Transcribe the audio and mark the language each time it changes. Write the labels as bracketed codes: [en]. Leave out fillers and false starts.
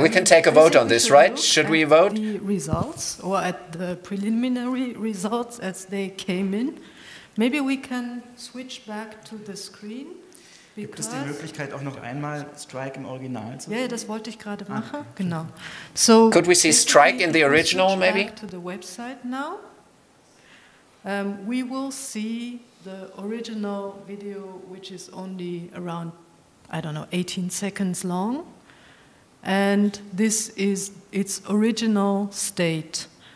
[en] We can take a vote on this, right? Should we vote? At the results, or at the preliminary results as they came in, maybe we can switch back to the screen. [de] Gibt es die Möglichkeit, auch noch einmal Strike im Original zu sehen? Ja, das wollte ich gerade machen. Ah, okay. Genau. [en] So, could we see Strike in the original, maybe? Back to the website now. We will see the original video, which is only around, I don't know, 18 seconds long. And this is its original state.